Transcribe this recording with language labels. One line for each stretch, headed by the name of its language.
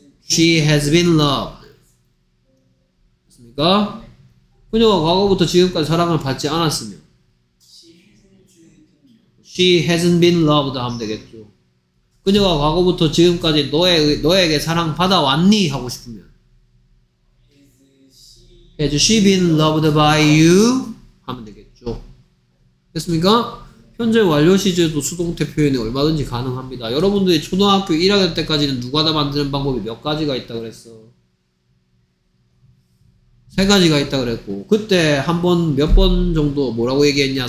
English: She has been loved.
Korean: 맞습니까? 그녀가 과거부터 지금까지 사랑을 받지 않았으면
English: She hasn't been loved
Korean: 하면 되겠죠. 그녀가 과거부터 지금까지 너에게 사랑받아 왔니? 하고 싶으면
English: Has she been loved by you?
Korean: 하면 되겠죠. 됐습니까? 현재 완료 시제도 수동태 표현이 얼마든지 가능합니다. 여러분들이 초등학교 1학년 때까지는 누가 다 만드는 방법이 몇 가지가 있다 그랬어? 세 가지가 있다 그랬고, 그때 한 번, 몇 번 정도 뭐라고 얘기했냐?